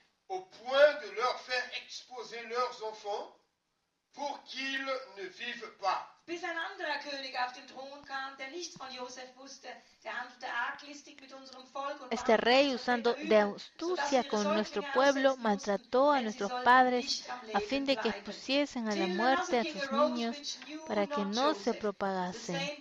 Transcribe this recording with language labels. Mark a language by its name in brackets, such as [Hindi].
[French] Au point de leur faire exposer leurs enfants pour qu'ils ne vivent pas. [German] Bis ein anderer König auf den Thron kam, der nichts von Josef wusste, der handelte arglistig mit unserem Volk. [Spanish] Este rey, usando de astucia con nuestro pueblo, maltrató a nuestros padres a fin de que expusiesen a la muerte a sus niños para que no se propagasen.